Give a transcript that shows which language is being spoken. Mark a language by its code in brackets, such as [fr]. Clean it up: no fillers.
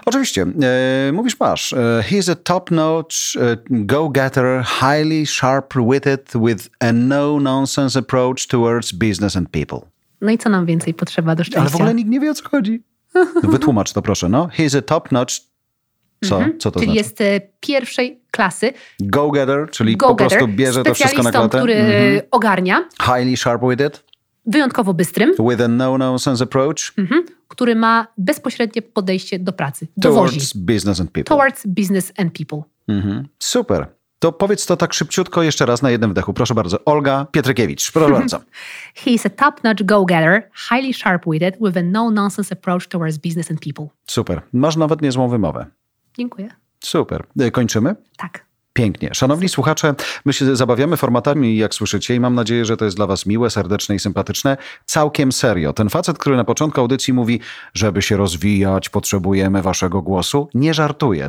[pl] Oczywiście. Mówisz, masz. [en] He's a top-notch go-getter, highly sharp-witted with a no-nonsense approach towards business and people. [pl] No i co nam więcej potrzeba do szczęścia? Ale w ogóle nikt nie wie, o co chodzi. Wytłumacz to proszę, no. [en] He's a top-notch... [pl] Co? Co to czyli znaczy? Czyli jest pierwszej klasy. Go-getter, czyli go-getter, po prostu bierze to wszystko na klatę. Specjalistą, który ogarnia. [en] Highly sharp-witted. [pl] Wyjątkowo bystrym. [en] With a no-nonsense approach. [pl] Który ma bezpośrednie podejście do pracy. Dowozi. [en] Towards business and people. Towards business and people. [pl] Super. To powiedz to tak szybciutko jeszcze raz na jednym wdechu. Proszę bardzo, Olga Pietrykiewicz. Proszę bardzo. [en] He's a top-notch go-getter, highly sharp-witted, with a no-nonsense approach towards business and people. [pl] Super. Masz nawet niezłą wymowę. Dziękuję. Super. Kończymy? Tak. Pięknie. Szanowni słuchacze, my się zabawiamy formatami, jak słyszycie, i mam nadzieję, że to jest dla was miłe, serdeczne i sympatyczne. Całkiem serio. Ten facet, który na początku audycji mówi, żeby się rozwijać, potrzebujemy waszego głosu, nie żartuje.